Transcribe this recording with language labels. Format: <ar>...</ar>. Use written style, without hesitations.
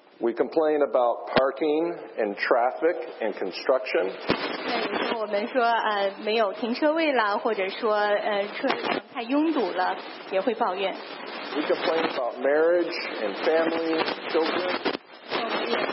<en>We complain about parking and traffic and construction.</en> <zh>那有时候我们说没有停车位了，或者说车辆太拥堵了，也会抱怨。</zh> <en>We complain about marriage and family, children.</en>